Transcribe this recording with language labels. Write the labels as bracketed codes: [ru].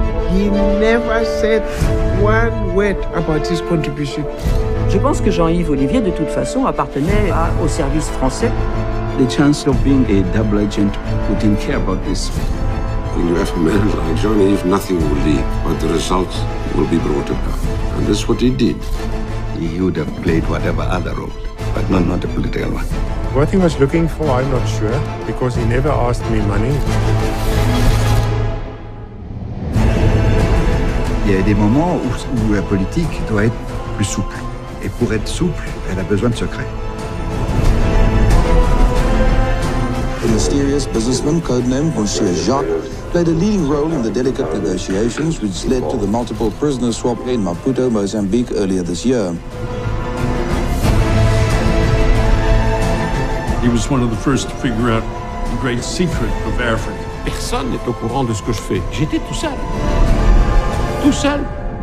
[en] He never said one word about his contribution. [fr] Je pense que Jean-Yves Olivier, de toute façon, appartenait au service français. [en] The chance of being a double agent, who didn't care about this. When you have a man like Jean-Yves, nothing will leak, but the results will be brought about. And that's what he did. He would have played whatever other role, but not a political one. What he was looking for, I'm not sure, because he never asked me money. [fr] Il y a des moments où la politique doit être plus souple. Et pour être souple, elle a besoin de secrets. [en] A mysterious businessman, codename Monsieur Jacques, played a leading role in the delicate negotiations which led to the multiple prisoner swap in Maputo, Mozambique, earlier this year. He was one of the first to figure out the great secret of Africa. [fr] Personne n'est au courant de ce que je fais. J'étais tout seul. Tout seul